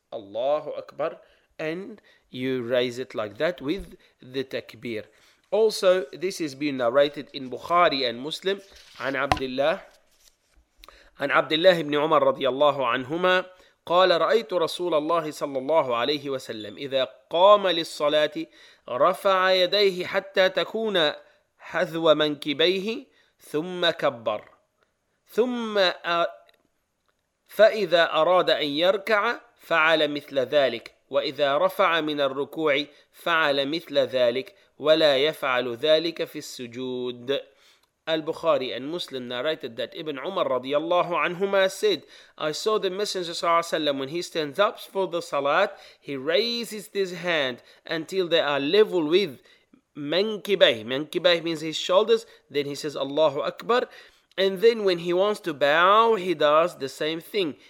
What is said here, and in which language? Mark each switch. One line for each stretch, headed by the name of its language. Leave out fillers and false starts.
English: Allahu Akbar. And you raise it like that with the takbir. Also, this has been narrated in Bukhari and Muslim. An Abdullah ibn Umar radiallahu anhuma.
Arabic: قال رأيت رسول الله صلى الله عليه وسلم إذا قام للصلاة رفع يديه حتى تكون حذو منكبيه ثم كبر ثم فإذا أراد أن يركع فعل مثل ذلك وإذا رفع من الركوع فعل مثل ذلك ولا يفعل ذلك في السجود.
English: Al-Bukhari and Muslim narrated that Ibn Umar radiallahu anhuma said, I saw the Messenger sallallahu alayhi wa sallam, when he stands up for the salat, he raises his hand until they are level with mankibay. Mankibay means his shoulders. Then he says, Allahu Akbar. And then when he wants to bow, he does the same thing.